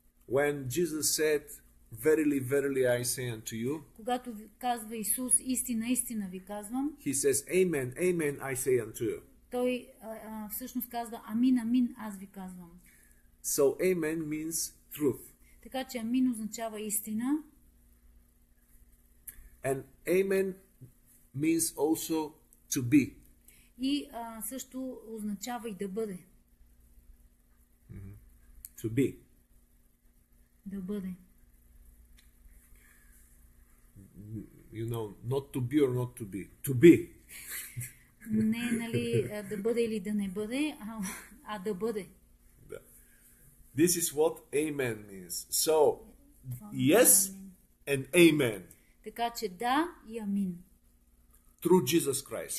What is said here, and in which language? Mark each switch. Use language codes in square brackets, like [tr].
[en] When Jesus said, verily, verily I say unto you. [bg] Когато казва Исус, истина, истина ви казвам. [en] He says, amen, amen I say unto you. [bg] Той всъщност казва, амин, амин аз ви казвам. [en] So amen means truth. [bg] Така че амин означава истина. [en] And amen means also to be. [bg] И също означава и да бъде. [en] Mm-hmm. To be. [bg] Да бъде. [en] You know, not to be or not to be. To be. [bg] Не, нали, да бъде или да не бъде, а да бъде. [en] This is what amen means. So, yes and amen. [bg] Така че да и амин. [en] Through Jesus Christ.